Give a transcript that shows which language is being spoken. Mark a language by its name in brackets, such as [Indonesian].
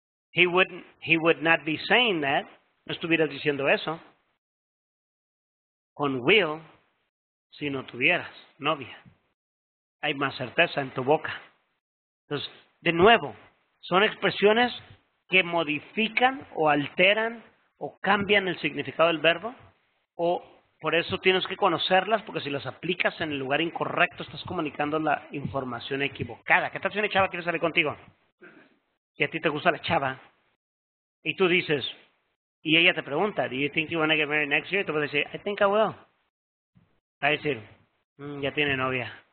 [English] He would not be saying that. [Spanish] No estuvieras diciendo eso con will si no tuvieras novia. Hay más certeza en tu boca. Entonces, de nuevo, son expresiones que modifican o alteran o cambian el significado del verbo, o por eso tienes que conocerlas, porque si las aplicas en el lugar incorrecto, estás comunicando la información equivocada. ¿Qué tal si una chava quiere salir contigo? Y a ti te gusta la chava. Y tú dices, y ella te pregunta, [English] do you think you want to get married next year? [Spanish] Y tú vas a decir, [English] I think I will. [Spanish] Va a decir, ya tiene novia.